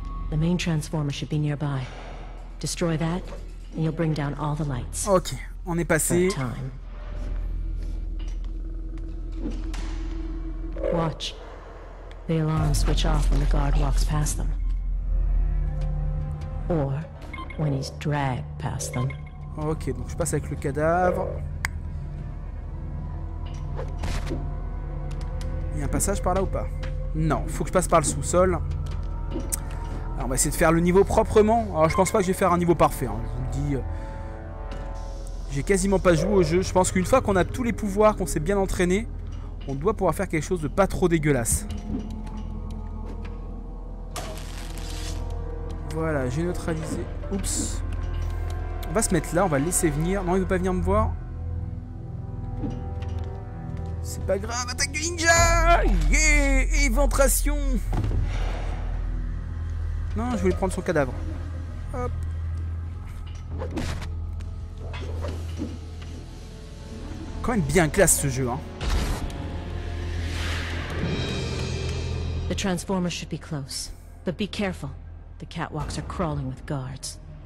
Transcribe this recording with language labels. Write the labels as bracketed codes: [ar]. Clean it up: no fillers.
[en] The main transformer should be nearby. Destroy that, and you'll bring down all the lights. [fr] Ok, on est passé. Time. [en] Watch. The alarms switch off when the guard walks past them. Or when he's dragged past them. [fr] Ok, donc je passe avec le cadavre. Il y a un passage par là ou pas? Non, faut que je passe par le sous-sol. Alors on va essayer de faire le niveau proprement. Alors je pense pas que je vais faire un niveau parfait, hein. Je vous le dis. J'ai quasiment pas joué au jeu. Je pense qu'une fois qu'on a tous les pouvoirs, qu'on s'est bien entraîné, on doit pouvoir faire quelque chose de pas trop dégueulasse. Voilà, j'ai neutralisé. Oups. On va se mettre là, on va le laisser venir. Non, il veut pas venir me voir. C'est pas grave, attaque du ninja! Yeah! Éventration! Non, je voulais prendre son cadavre. Hop. Quand même bien classe ce jeu, hein. [en] The Transformers should be close, but be careful. The catwalks are crawling with guards.